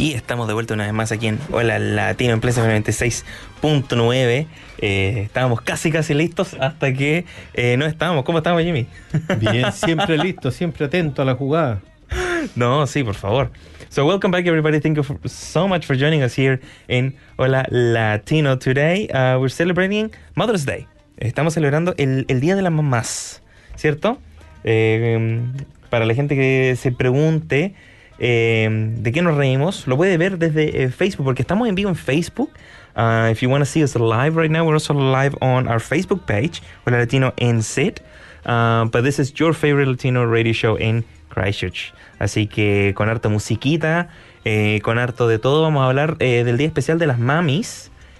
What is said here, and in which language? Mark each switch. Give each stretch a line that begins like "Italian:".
Spanish: Estamos de vuelta una vez más aquí en Hola Latino en Plaza 96.9. Estábamos casi listos hasta que no estábamos. ¿Cómo estamos, Jimmy? Bien, siempre listo, siempre atento a la jugada. No, sí, por favor.
English: So welcome back, everybody. Thank you so much for joining us here in Hola Latino today. We're celebrating Mother's Day.
Spanish: Estamos celebrando el Día de las Mamás, ¿cierto? Para la gente que se pregunte... ¿de qué nos reímos? Lo puede ver desde Facebook, porque estamos en vivo en Facebook.
English: If you want to see us live right now, we're also live on our Facebook page, Hola Latino en SIT. But this is your favorite Latino radio show in Christchurch.
Spanish: Así que con harta musiquita, con harto de todo, vamos a hablar del día especial de las mamis.